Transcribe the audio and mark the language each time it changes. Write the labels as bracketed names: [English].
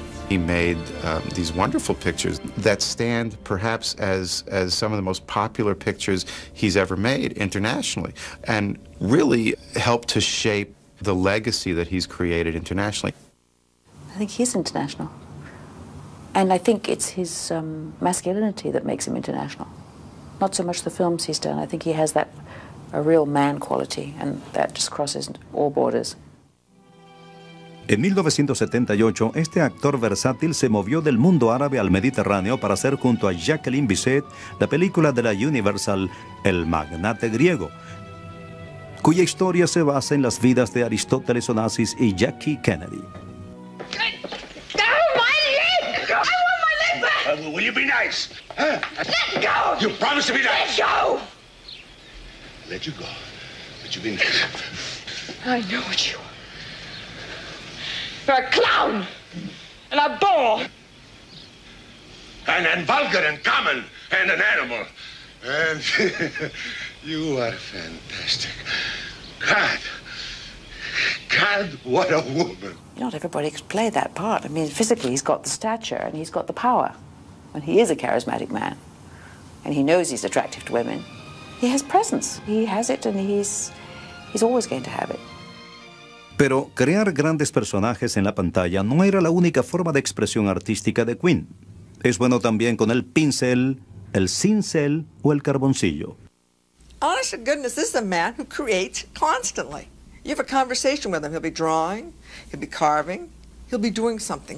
[English] He made these wonderful pictures that stand perhaps as some of the most popular pictures he's ever made internationally and really helped to shape the legacy that he's created internationally. I think he's international. And I think it's his masculinity that makes him international. Not so much the films he's done. I think he has that a real man quality and that just crosses all borders. [Spanish] En 1978, este actor versátil se movió del mundo árabe al Mediterráneo para hacer junto a Jacqueline Bisset la película de la Universal, El Magnate Griego, cuya historia se basa en las vidas de Aristóteles Onassis y Jackie Kennedy. [English] ¡Let go my leg! I want my leg back! Will you be nice? Let go! You promised to be nice! Let go! Let you go, but you be nice. I know what you are. You're a clown and a bore. And vulgar and common and an animal. And you are fantastic. God. God, what a woman. Not everybody could play that part. I mean, physically, he's got the stature and he's got the power. And he is a charismatic man. And he knows he's attractive to women. He has presence. He has it and he's always going to have it. [Spanish] Pero crear grandes personajes en la pantalla no era la única forma de expresión artística de Quinn. Es bueno también con el pincel, el cincel o el carboncillo. [English] Honest to goodness, this is a man who creates constantly. You have a conversation with him, he'll be drawing, he'll be carving, he'll be doing something.